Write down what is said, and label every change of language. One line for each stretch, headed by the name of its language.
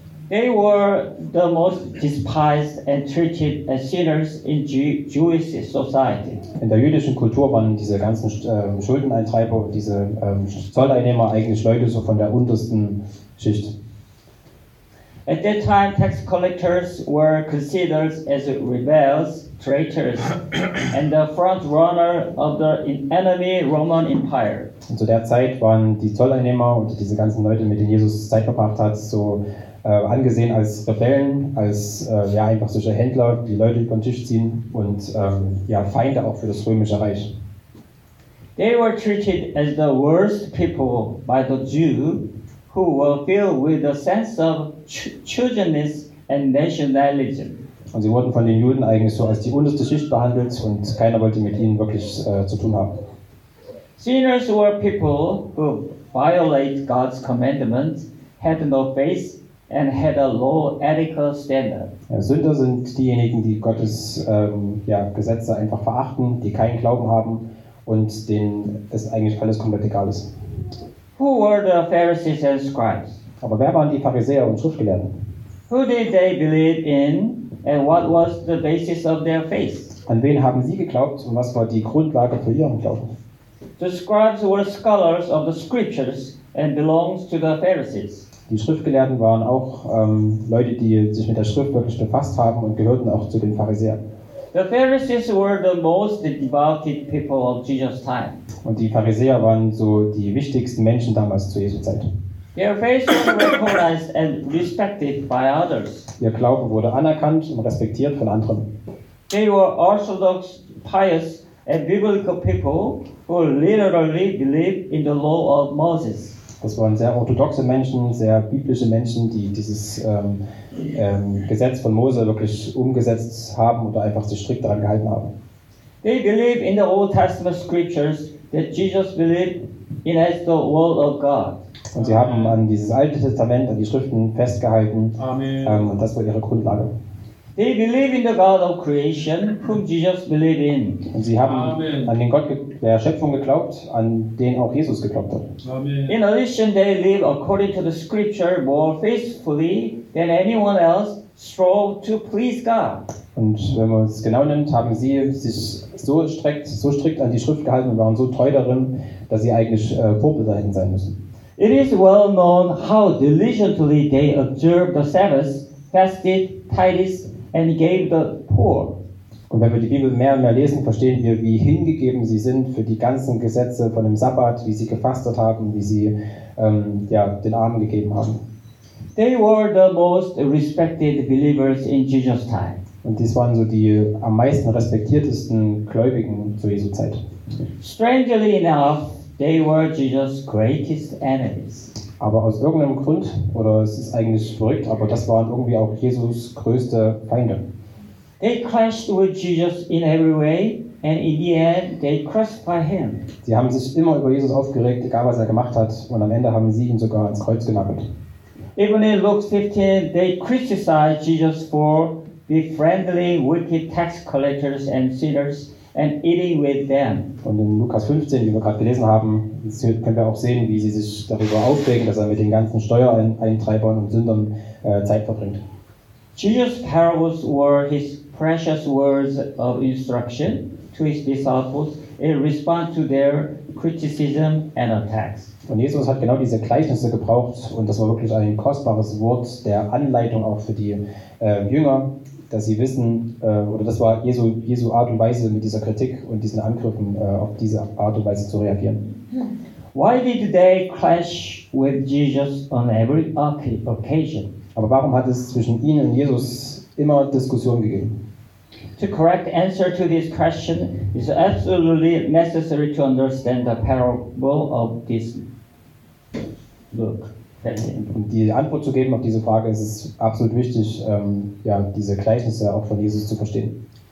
English: They were the most despised and treated as sinners in Jewish society.
German: In der jüdischen Kultur waren diese ganzen Schuldeneintreiber, diese Zolleinnehmer eigentlich Leute so von der untersten Schicht.
English: At that time, tax collectors were considered as rebels, traitors, and the front runner of the enemy Roman Empire.
German: Und zu der Zeit waren die Zolleinnehmer und diese ganzen Leute, mit denen Jesus Zeit verbracht hat, so angesehen als Rebellen, als einfach solche Händler, die Leute über den Tisch ziehen und Feinde auch für das Römische Reich.
English: They were treated as the worst people by the Jew, who were filled with a sense of chauvinism and nationalism.
German: Und sie wurden von den Juden eigentlich so als die unterste Schicht behandelt und keiner wollte mit ihnen wirklich zu tun haben.
English: Sinners were people who violate God's commandments, had no faith, and had a low ethical standard.
German: Ja, Sünder sind diejenigen, die Gottes Gesetze einfach verachten, die keinen Glauben haben und denen es eigentlich alles komplett egal ist.
English: Who were the Pharisees and scribes?
German: Aber wer waren die Pharisäer und Schriftgelehrten?
English: Who did they believe in and what was the basis of their faith?
German: An wen haben sie geglaubt und was war die Grundlage für ihren Glauben?
English: The scribes were scholars of the scriptures and belonged to the Pharisees.
German: Die Schriftgelehrten waren auch Leute, die sich mit der Schrift wirklich befasst haben und gehörten auch zu den Pharisäern.
English: The Pharisees were the most devoted people of Jesus' time.
German: Und die Pharisäer waren so die wichtigsten Menschen damals zu Jesu Zeit.
English: Their faith was recognized and respected by others.
German: Ihr Glaube wurde anerkannt und respektiert von anderen.
English: They were orthodox, pious and biblical people who literally believed in the law of Moses.
German: Das waren sehr orthodoxe Menschen, sehr biblische Menschen, die dieses Gesetz von Mose wirklich umgesetzt haben oder einfach sich strikt daran gehalten haben.
English: They believe in the Old Testament scriptures that Jesus believed in as the word of God.
German: Und sie haben an dieses Alte Testament, an die Schriften festgehalten.
English: Amen.
German: Und das war ihre Grundlage.
English: They believe in the God of creation, whom Jesus believed in.
German: Und sie haben Amen. An den Gott der Schöpfung geglaubt, an den auch Jesus geglaubt hat.
English: Amen. In addition, they live according to the scripture more faithfully than anyone else, strove to please God.
German: Und wenn man es genau nimmt, haben sie sich so strikt an die Schrift gehalten und waren so treu darin, dass sie eigentlich Vorbilder hätten sein müssen.
English: It is well known how diligently they observe the Sabbath, fasted, tithed, and gave the poor.
German: Und wenn wir die Bibel mehr und mehr lesen, verstehen wir, wie hingegeben sie sind für die ganzen Gesetze von dem Sabbat, wie sie gefastet haben, wie sie den Armen gegeben haben.
English: They were the most respected believers in Jesus' time.
German: Und dies waren so die am meisten respektiertesten Gläubigen zu Jesu Zeit.
English: Strangely enough, they were Jesus' greatest enemies.
German: Aber aus irgendeinem Grund, oder es ist eigentlich verrückt, aber das waren irgendwie auch Jesus' größte Feinde.
English: They clashed with Jesus in every way, and in the end, they crucified him.
German: Sie haben sich immer über Jesus aufgeregt, egal was er gemacht hat, und am Ende haben sie ihn sogar ans Kreuz genagelt.
English: Even in Luke 15, they criticized Jesus for befriending wicked tax collectors and sinners, and eating with them.
German: Und in Lukas 15, wie wir gerade gelesen haben, können wir auch sehen, wie sie sich darüber aufregen, dass er mit den ganzen Steuereintreibern und Sündern Zeit verbringt.
English: Jesus' parables were his precious words of instruction to his disciples in response to their criticism and attacks.
German: Und Jesus hat genau diese Gleichnisse gebraucht und das war wirklich ein kostbares Wort der Anleitung auch für die Jünger. Dass sie wissen, oder das war Jesu Art und Weise mit dieser Kritik und diesen Angriffen, auf diese Art und Weise zu reagieren.
English: Why did they clash with Jesus on every occasion?
German: Aber warum hat es zwischen ihnen und Jesus immer Diskussionen gegeben?
English: The correct answer to this question is absolutely necessary to understand the parable of this book.
German: Um die Antwort zu geben auf diese Frage, ist es absolut wichtig, diese Gleichnisse auch von Jesus zu verstehen.